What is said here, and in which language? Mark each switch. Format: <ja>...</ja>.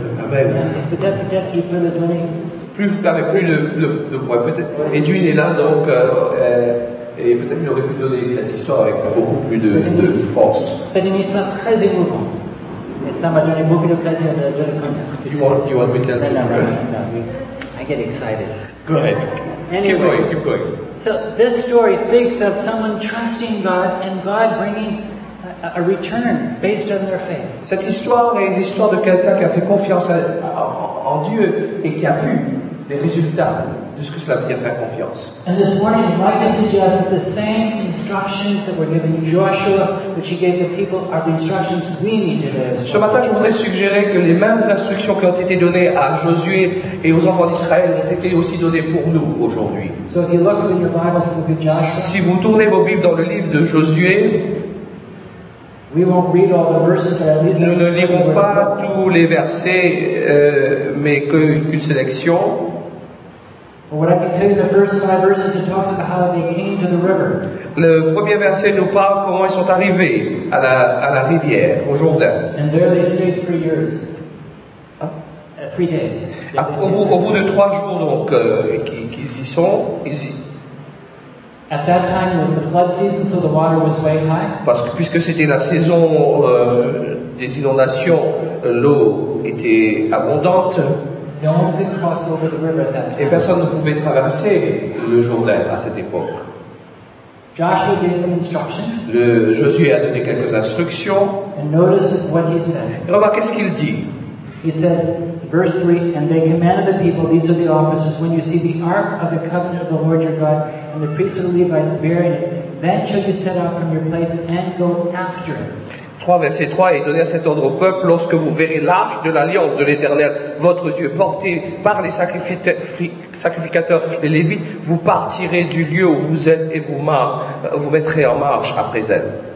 <en>Amen.</en> <fr>Merci. Peut-être qu'il peut le donner. Plus avec plus de points. Peut-être. Et Dieu est là donc. Et peut-être qu'il aurait pu donner cette histoire avec beaucoup plus de force. C'est une histoire très émouvante. Et ça m'a donné beaucoup de plaisir de le connaître.</fr> <en>Do you want me to tell you? No, I get excited. Go ahead. Anyway, keep going. So this story speaks of someone trusting God and God bringing a return based on their faith.</en> <fr>Cette histoire est l'histoire de quelqu'un qui a fait confiance en Dieu et qui a vu les résultats de ce que cela veut dire faire confiance.</fr> <en>And this morning, Micah suggests that the same instructions that were given to Joshua, which he gave the people, are the instructions we need to do.</en> <fr>Ce matin, je voudrais suggérer que les mêmes instructions qui ont été données à Josué et aux enfants d'Israël ont été aussi données pour nous aujourd'hui.</fr> <en>So if you look in your Bible to the book of Joshua,</en> <fr>si vous tournez vos Bibles dans le livre de Josué,</fr> <en>we won't read all the verses, but at least</en> <fr>nous ne lirons pas tous les versets, mais qu'une sélection.</fr> <en>What I can tell you, the first five verses, it talks about how they came to the river.</en> <fr>Le premier verset nous parle comment ils sont arrivés à la rivière, au Jourdain.</fr> <en>And there they stayed 3 years. Ah. 3 days.</en> <fr>Au bout de 3 jours, donc, qu'ils y sont, ils y...</fr> <en>At that time, it was the flood season, so the water was way high.</en> <fr>Parce que puisque c'était la saison des inondations, l'eau était abondante.</fr> <en>No one could cross over the river at that time.</en> <fr>Et personne ne pouvait traverser le Jourdain à cette époque.</fr> <en>Joshua gave some instructions.</en> <fr>Josué a donné quelques instructions.</fr> <en>And notice what he said.</en> <fr>Et remarque qu'est-ce qu'il dit.</fr> <en>He said, verse 3, and they commanded the people, these are the officers, when you see the ark of the covenant of the Lord your God and the priests of the Levites bearing it, then shall you set out from your place and go after it.</en> <fr>3, verset 3, et donner cet ordre au peuple, lorsque vous verrez l'arche de l'alliance de l'Éternel, votre Dieu, portée par les sacrificateurs, les Lévites, vous partirez du lieu où vous êtes et vous mettrez en marche après elle.</fr>